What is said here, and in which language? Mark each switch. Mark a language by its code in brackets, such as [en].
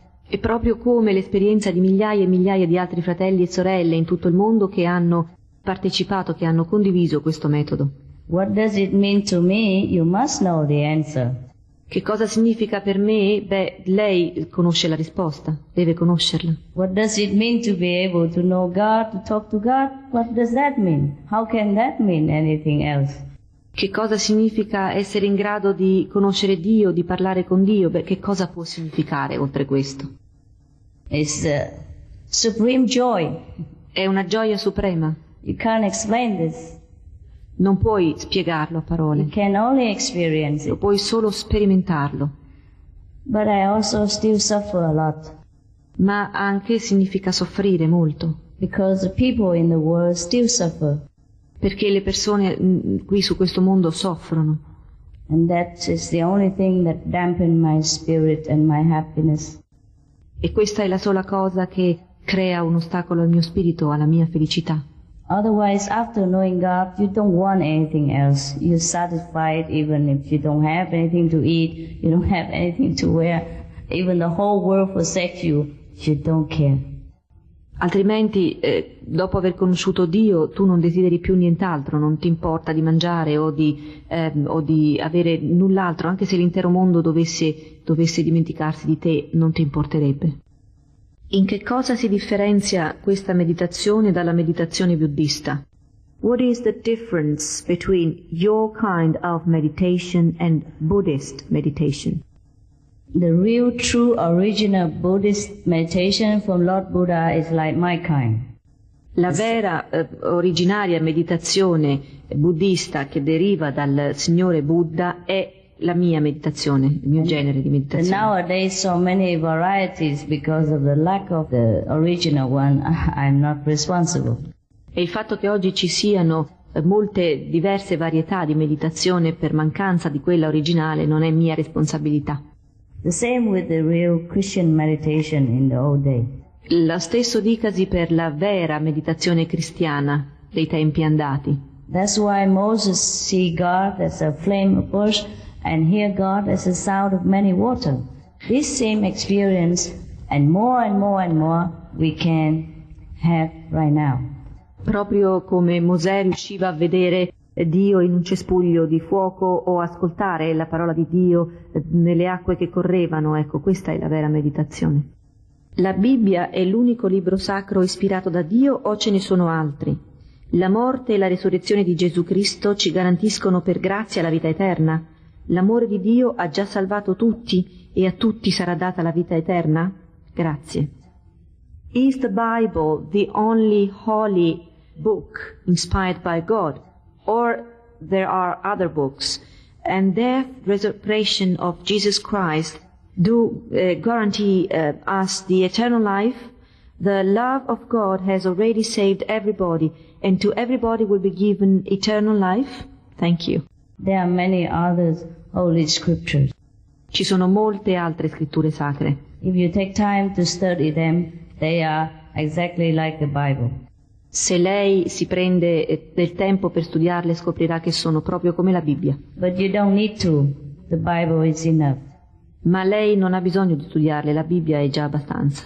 [it] E proprio come l'esperienza di migliaia e migliaia di altri fratelli e sorelle in tutto il mondo che hanno partecipato, che hanno condiviso questo metodo. [en] What does it mean to me? You must know the answer. [it] Che cosa significa per me? Beh, lei conosce la risposta, deve conoscerla. [en] What does it mean to be able to know God, to talk to God? What does that mean? How can that mean anything else? [it] Che cosa significa essere in grado di conoscere Dio, di parlare con Dio? Beh, che cosa può significare oltre questo? [en] It's a supreme joy. [it] È una gioia suprema. [en] You can't explain this. [it] Non puoi spiegarlo a parole. [en] You can only experience it. [it] Lo puoi solo sperimentarlo. [en] But I also still suffer a lot. [it] Ma anche significa soffrire molto. [en] Because the people in the world still suffer. [it] Perché le persone qui su questo mondo soffrono. [en] And that is the only thing that dampen my spirit and my happiness. [it] E questa è la sola cosa che crea un ostacolo al mio spirito, alla mia felicità. [en] Otherwise, after knowing God, you don't want anything else. You're satisfied even if you don't have anything to eat, you don't have anything to wear, even the whole world forsakes you, you don't care. [it] Altrimenti, dopo aver conosciuto Dio, tu non desideri più nient'altro, non ti importa di mangiare o di avere null'altro, anche se l'intero mondo dovesse dimenticarsi di te, non ti importerebbe. In che cosa si differenzia questa meditazione dalla meditazione buddista? [en] What is the difference between your kind of meditation and Buddhist meditation? The real, true, original Buddhist meditation from Lord Buddha is like my kind. [it] La vera, originaria meditazione buddista che deriva dal Signore Buddha è la mia meditazione, il mio genere di meditazione. [en] And nowadays so many varieties because of the lack of the original one, I'm not responsible. [it] E il fatto che oggi ci siano molte diverse varietà di meditazione per mancanza di quella originale non è mia responsabilità. [en] The same with the real Christian meditation in the old day. [it] Lo stesso dicasi per la vera meditazione cristiana dei tempi andati. [en] That's why Moses see God as a flame of bush and hear God as the sound of many water. This same experience and more and more and more we can have right now. [it] Proprio come Mosè riusciva a vedere Dio in un cespuglio di fuoco o ascoltare la parola di Dio nelle acque che correvano, ecco, questa è la vera meditazione. La Bibbia è l'unico libro sacro ispirato da Dio o ce ne sono altri? La morte e la resurrezione di Gesù Cristo ci garantiscono per grazia la vita eterna? L'amore di Dio ha già salvato tutti e a tutti sarà data la vita eterna? Grazie. [en] Is the Bible the only holy book inspired by God? Or there are other books, and death, resurrection of Jesus Christ do guarantee us the eternal life. The love of God has already saved everybody, and to everybody will be given eternal life. Thank you. There are many other holy scriptures. [it] Ci sono molte altre scritture sacre. [en] If you take time to study them, they are exactly like the Bible. [it] Se lei si prende del tempo per studiarle, scoprirà che sono proprio come la Bibbia. [en] But you don't need to. The Bible is enough. [it] Ma lei non ha bisogno di studiarle, la Bibbia è già abbastanza.